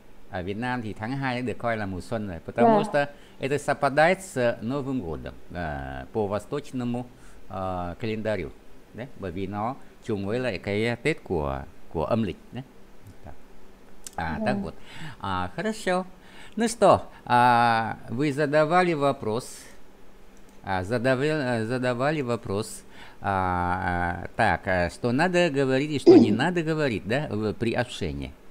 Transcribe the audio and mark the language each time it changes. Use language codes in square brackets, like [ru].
[ru] А Вьетнам и Тангхай это койла мусон, потому Да. что это совпадает с Новым годом по восточному календарю. Да? [vi] Bởi vì nó chung với lại cái Tết của âm lịch đấy. [ru] Да. Так вот. Хорошо. Ну что, вы задавали вопрос. Задавали вопрос. Так, что надо говорить и что не надо говорить, да, при общении.